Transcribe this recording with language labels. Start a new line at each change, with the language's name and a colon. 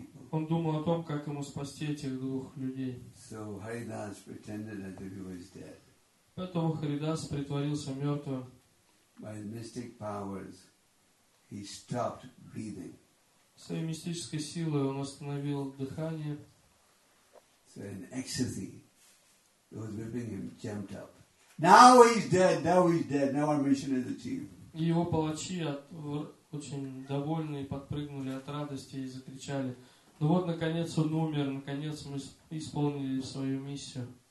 Russian: Он думал о том, как ему спасти этих двух людей.
English: So Haridas pretended that he was dead.
Russian: Поэтому Харидас притворился мертвым.
English: By mystic powers, he stopped breathing.
Russian: Своей мистической силой он остановил дыхание.
English: So in ecstasy, those whipping him jumped up. Now he's dead. Now he's dead. Now our mission is achieved.
Russian: Его палачи очень довольны и подпрыгнули от радости и закричали: ну вот, наконец он умер, наконец мы исполнили свою миссию.